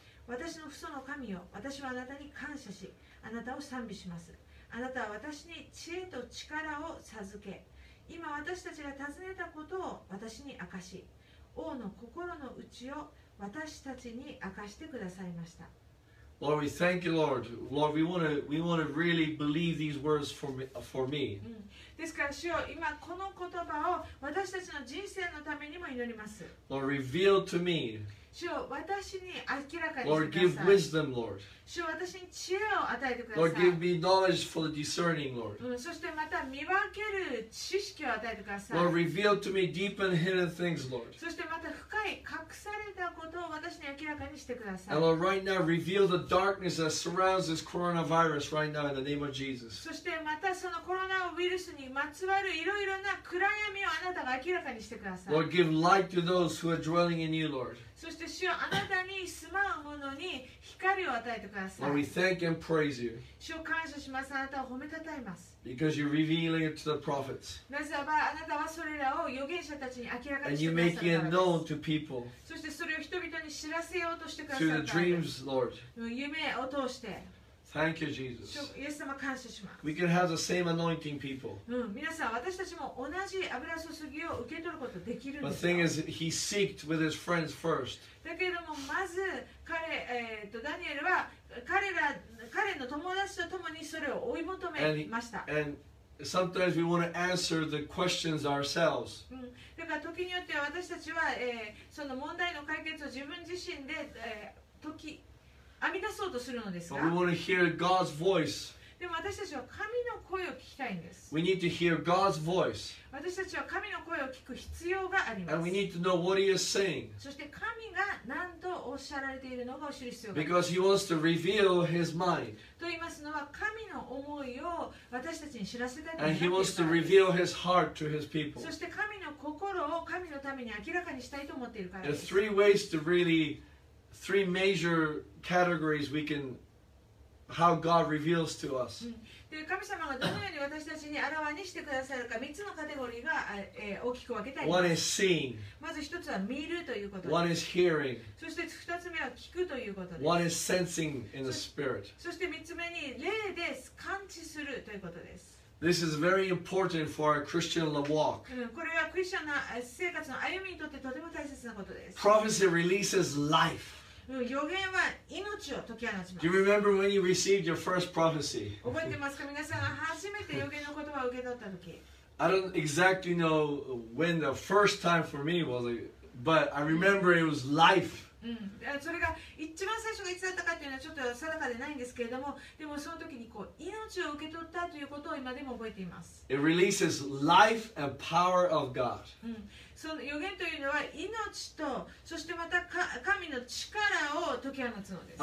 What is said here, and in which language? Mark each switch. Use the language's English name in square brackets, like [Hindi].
[Japanese] 私の父祖の神よ、私はあなたに感謝し、あなたを賛美します。あなたは私に知恵と力を授け、今私たちが尋ねたことを私に明かし、王の心の内を私たちに明かしてくださいました。 [English] Lord, we thank you, Lord. Lord, we want to really believe these words for me. [Japanese] ですから主よ、今この言葉を私たちの人生のためにも祈ります。 [English] Lord, reveal to me. [Japanese] 主よ、私に明らかにしてください。 [English] Lord, give wisdom, Lord. [Japanese] 主よ、私に知恵を与えてください。 [English] Lord, give me knowledge for the discerning, Lord. [Japanese] そしてまた見分ける知識を与えてください。 [English] Lord, reveal to me deep and hidden things, Lord. [Japanese] そしてまた深い隠されたことを私に明らかにしてください。 [English] And Lord, right now, reveal the darkness that surrounds this coronavirus right now in the name of Jesus. [Japanese] そしてまたそのコロナウイルスにまつわるいろいろな暗闇をあなたが明らかにしてください。 [English] Lord, give light to those who are dwelling in you, Lord. [Japanese] そして主よ、あなたに住まうものに光を与えてください。 [English] Lord, we thank and praise you. [Japanese] 主を感謝します。あなたを褒めたたえます。 [English] Because you're revealing it to the prophets. [Japanese] なぜならあなたはそれらを預言者たちに明らかにしてくださったからです。 [English] And you're making it known to people. [Japanese] そしてそれを人々に知らせようとしてくださったからです。 [English] Through the dreams, Lord. [Japanese] 夢を通して。 [English] Thank you, Jesus. [Japanese] イエス様感謝します。 [English] We can have the same anointing, people. [Japanese] 皆さん、私たちも同じ油注ぎを受け取ることができるんですよ。 [English] The thing is, he seeked with his friends first. [Japanese] だけども、まず彼、ダニエルは彼の友達と共にそれを追い求めました。 [English] And sometimes we want to answer the questions ourselves. [Japanese] だから時によっては私たちは、その問題の解決を自分自身で、編み出そうとするのですが。 [English] But we want to hear God's voice. [Japanese] でも私たちは神の声を聞きたいんです。 [English] We need to hear God's voice. [Japanese] 私たちは神の声を聞く必要があります。 [English] And we need to know what he is saying. [Japanese] そして神が何とおっしゃられているのかを知る必要があります。 [English] Because he wants to reveal his mind. [Japanese] と言いますのは神の思いを私たちに知らせたい。 [English] And he wants to reveal his heart to his people. [Japanese] そして神の心を神のために明らかにしたいと思っているからです。 [English] There are three ways to really... Three major categories we can, how God reveals to us. [Japanese] で、神様がどのように私たちに表にしてくださるか、3つのカテゴリーが、大きく分けたいです。 [English] One is seeing. [Japanese] まず1つは見るということです。 [English] One is hearing. [Japanese] そして2つ目は聞くということです。 [English] One is sensing in the spirit. [Japanese] そして3つ目に霊で感知するということです。 [English] This is very important for our Christian walk. [Japanese] これはクリスチャンの生活の歩みにとってとても大切なことです。 [English] Prophecy releases life. [Japanese] 予言は命を解き放ちます。 [English] Do you remember when you received your first prophecy? [Japanese] 覚えてますか、皆さんが初めて予言の言葉を受け取った時。 [English] I don't exactly know when the first time for me was, but I remember it was life. [Japanese] うん、それが一番最初がいつだったかというのはちょっと定かでないんですけれども、でもその時にこう命を受け取ったということを今でも覚えています。 [English] It releases life and power of God、 [Japanese] うん、その予言というのは命とそしてまた神の力を解き放つのです。